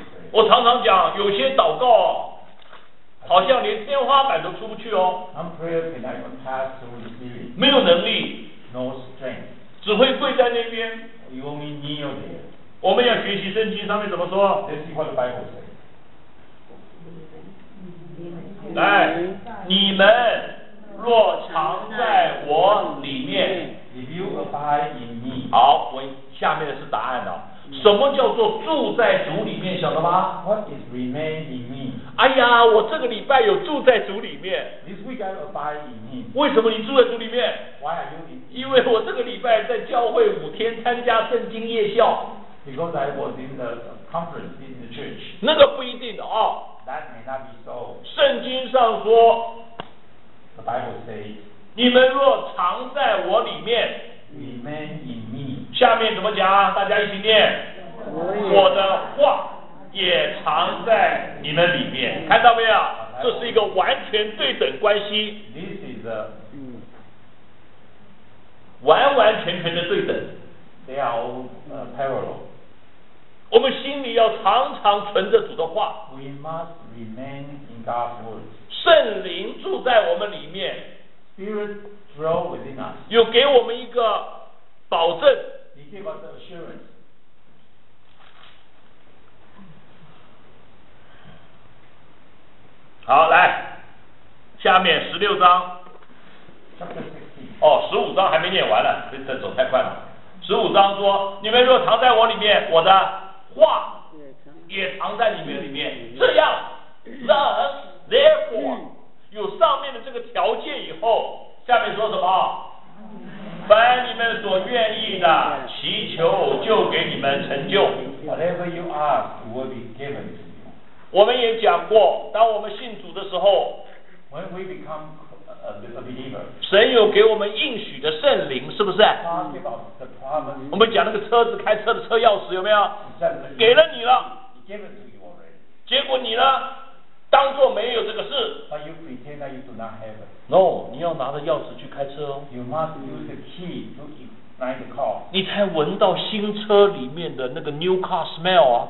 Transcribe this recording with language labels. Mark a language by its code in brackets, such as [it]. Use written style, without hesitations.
[zh] 我常常讲有些祷告好像连天花板都出不去哦 [en] Some prayer cannot even pass through the ceiling. [zh] 没有能力 [en] No strength. [zh] 只会跪在那边 [en] You only kneel there. [zh] 我们要学习圣经上面怎么说。 [en] This is what the Bible says. [zh] 来，你们若常在我里面。 [en] If you abide in me. [zh] 好，我下面的是答案了。什么叫做住在主里面，晓得吗？ [en] What is remain in me? [zh] 哎呀，我这个礼拜有住在主里面。 [en] This week I abide in me. [zh] 为什么你住在主里面？ [en] Why are you in me? [zh] 因为我这个礼拜在教会五天参加圣经夜校。 [en] Because I was in the conference in the church. [zh] 那个不一定的哦。 [en] That may not be so. [zh] 圣经上说。 [en] The Bible says. [zh] 你们若常在我里面。 [en] Remain in me. [zh] 下面怎么讲啊？大家一起念。我的话也藏在你们里面。看到没有？这是一个完全对等关系。 [en] This is a [zh] 完完全全的对等。 [en] They are parallel. [zh] 我们心里要常常存着主的话。 [en] We must remain in God's words. [zh] 圣灵住在我们里面。 [en] Spirit. Grow within us. [zh] 有给我们一个保证。 [en] He gave us an assurance. [zh] 好，来，下面十六章。 [en] Chapter 16. [zh] 哦，十五章还没念完呢，这走太快了。十五章说：“你们若藏在我里面，我的话也藏在你们里面。这样 ， [en] thus therefore， [zh] 有上面的这个条件以后。” 下面说什么？凡你们所愿意的，祈求就给你们成就。 [en] Whatever you ask will be given to you. [zh] 我们也讲过，当我们信主的时候 [en] ，When we become a believer， [zh] 神有给我们应许的圣灵，是不是？ [en] God gave us the promise. [zh] 我们讲那个车子开车的车钥匙有没有？给了你了。 [en] He gave it to you already. [zh] 结果你呢？当作没有这个事。 [en] But you pretend that you do not have it. No, [zh] 你要拿着钥匙去开车哦。 [en] You must use the key to ignite the car. [zh] 你才闻到新车里面的那个 [en] new car smell [zh] 啊。